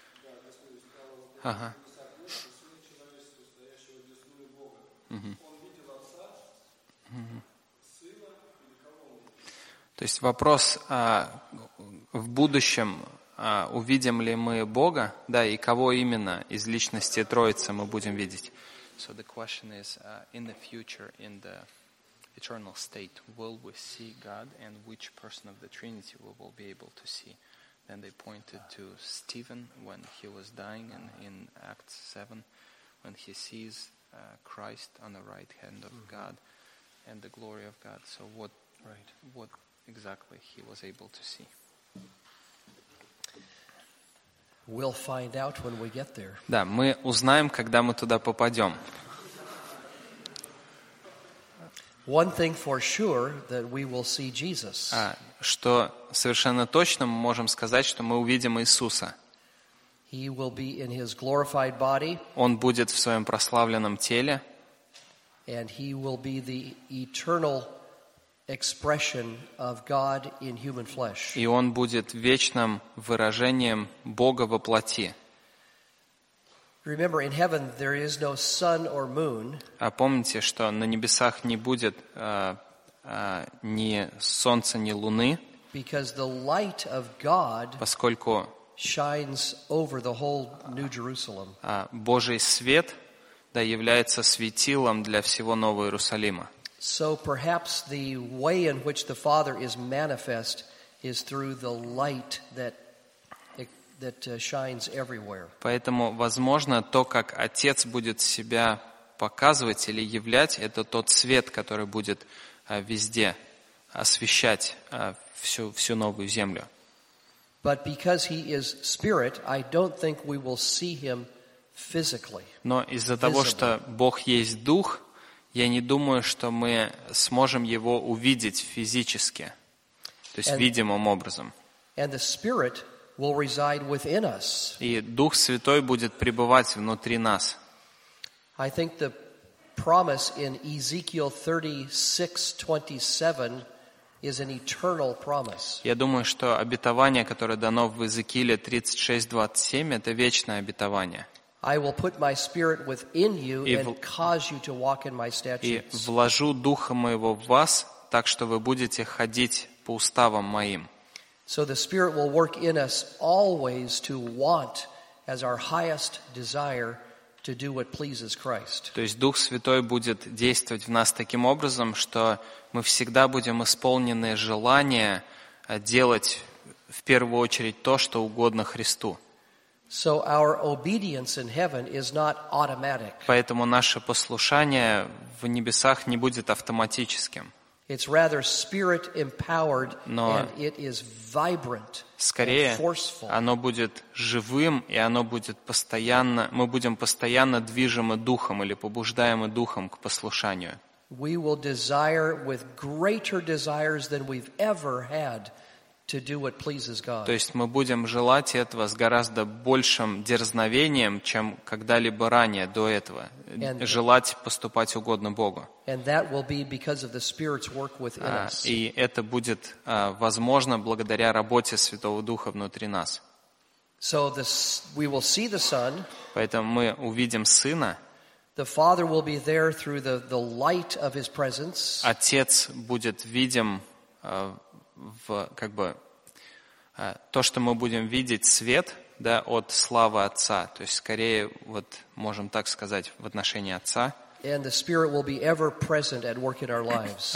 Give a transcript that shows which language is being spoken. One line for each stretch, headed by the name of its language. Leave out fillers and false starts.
Russian: Да, Господь из кого он сокрыл, Сына человеческого, стоящего одесную Бога. Он видел Отца, Сына или кого он видит? То есть вопрос в будущем. Увидим ли мы Бога, да, и кого именно из личности Троицы мы будем видеть?
English: So the question is, in the future, in the eternal state, will we see God, and which person of the Trinity we will be able to see? Then they pointed to Stephen when he was dying, and in Acts 7, when he sees Christ on the right hand of God and the glory of God. So what exactly he was able to see? We'll find out when we get there.
Russian: Да, мы узнаем, когда мы туда попадем.
English: One thing for sure that we will see Jesus.
Russian: Что совершенно точно мы можем сказать, что мы увидим Иисуса.
English: He will be in his glorified body.
Russian: Он будет в своем прославленном теле.
English: And he will be the eternal expression of God in human flesh.
Russian: И он будет вечным выражением Бога во плоти.
English: Remember, in heaven there is no sun or moon.
Russian: А помните, что на небесах не будет ни солнца, ни луны.
English: Because the light of God
Russian: поскольку
English: shines over the whole New Jerusalem.
Russian: Божий свет да является светилом для всего Нового Иерусалима.
English: So perhaps the way in which the Father is manifest is through the light that shines everywhere.
Russian: Поэтому возможно то, как Отец будет себя показывать или являть, это тот свет, который будет везде освещать всю новую землю.
English: But because he is spirit, I don't think we will see him physically.
Russian: Но из-за того, что Бог есть дух, я не думаю, что мы сможем его увидеть физически, то есть видимым образом.
English: And the spirit will reside within us.
Russian: И Дух Святой будет пребывать внутри нас.
English: I think the promise in Ezekiel 36:27 is an eternal promise.
Russian: Я думаю, что обетование, которое дано в Иезекииле 36:27, это вечное обетование.
English: I will put my spirit within you and cause you to walk in my statutes.
Russian: И вложу духа моего в вас, так что вы будете ходить по уставам моим.
English: So the spirit will work in us always to want as our highest desire to do what pleases Christ.
Russian: То есть Дух Святой будет действовать в нас таким образом, что мы всегда будем исполнены желания делать в первую очередь то, что угодно Христу.
English: So our obedience in heaven is not automatic.
Russian: Поэтому наше послушание в небесах не будет автоматическим.
English: It's rather spirit empowered and it is vibrant.
Russian: Скорее, оно будет живым, и оно будет постоянно, мы будем постоянно движимы духом или побуждаемы духом к послушанию.
English: We will desire with greater desires than we've ever had to do what pleases God.
Russian: То есть мы будем желать этого с гораздо большим дерзновением, чем когда-либо ранее до этого, желать поступать угодно Богу.
English: And that will be because of the Spirit's work within us.
Russian: И это будет возможно благодаря работе Святого Духа внутри нас.
English: So we will see the Son.
Russian: Поэтому мы увидим Сына.
English: The Father will be there through the light of his presence.
Russian: Отец будет видим в как бы то, что мы будем видеть свет, да, от славы Отца, то есть скорее вот можем так сказать в отношении Отца.
English: And the Spirit will be ever present at work in our lives.